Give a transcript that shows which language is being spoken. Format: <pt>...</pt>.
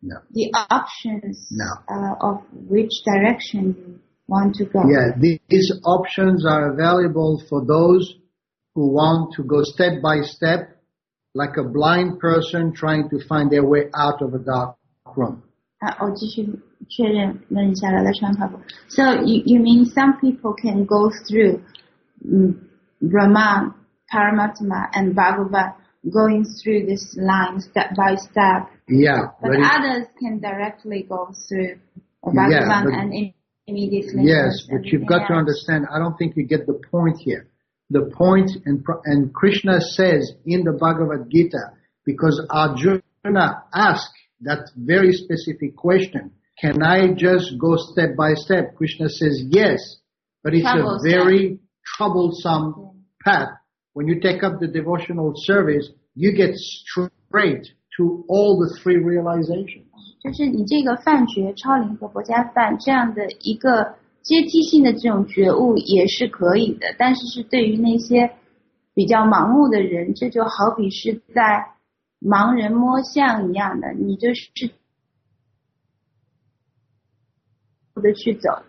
<en>the options of which direction you want to go. Yeah, these options are available for those who want to go step by step, like a blind person trying to find their way out of a dark room.</en> <zh>我继续确认问一下了，来穿卡布。</zh> <en>So you mean some people can go through, Brahman, Paramatma, and Bhagavan, going through this line step by step. Yeah. But others can directly go through Bhagavan and immediately. Yes, but you've got to understand. I don't think you get the point here. The point and Krishna says in the Bhagavad Gita because Arjuna asked. That very specific question. Can I just go step by step? Krishna says yes, but it's a very troublesome path. When you take up the devotional service, you get straight to all the three realizations.</en> <zh>就是你这个梵觉、超灵和薄伽梵这样的一个阶梯性的这种觉悟也是可以的，但是是对于那些比较盲目的人，这就好比是在。盲人摸象一样的，你就是不得去走。</zh>